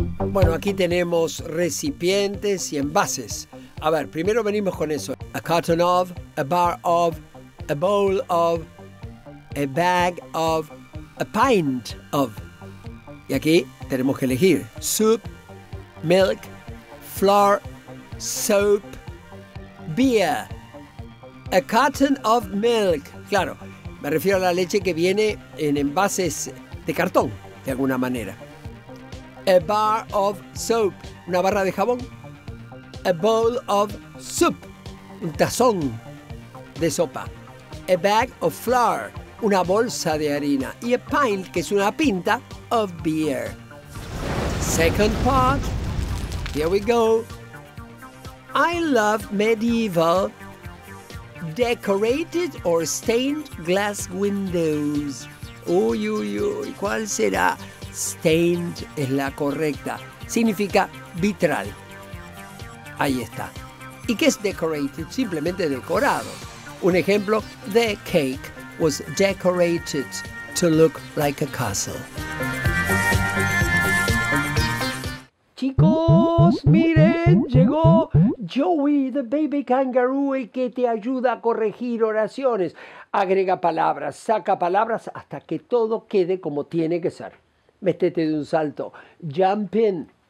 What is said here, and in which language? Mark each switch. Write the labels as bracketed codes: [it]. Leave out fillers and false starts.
[es] Bueno, aquí tenemos recipientes y envases. A ver, primero venimos con eso. [en] A carton of, a bar of, a bowl of, a bag of, a pint of. [es] Y aquí tenemos que elegir. [en] Soup, milk, flour, soap, beer. A carton of milk. [es] Claro, me refiero a la leche que viene en envases de cartón, de alguna manera. [en] A bar of soap. [es] Una barra de jabón. [en] A bowl of soup. [es] Un tazón de sopa. [en] A bag of flour, [es] una bolsa de harina. [en] Y a pint, [es] que es una pinta, [en] of beer. Second part, here we go. I love medieval decorated or stained glass windows. [es] Uy, uy, uy, ¿cuál será? Stained es la correcta. Significa vitral. Ahí está. ¿Y qué es decorated? Simplemente decorado. Un ejemplo, [en] the cake was decorated to look like a castle. [es] Chicos, miren, llegó Joey, [en] the baby kangaroo, [es] el que te ayuda a corregir oraciones. Agrega palabras, saca palabras hasta que todo quede como tiene que ser. Métete de un salto. [en] Jump in.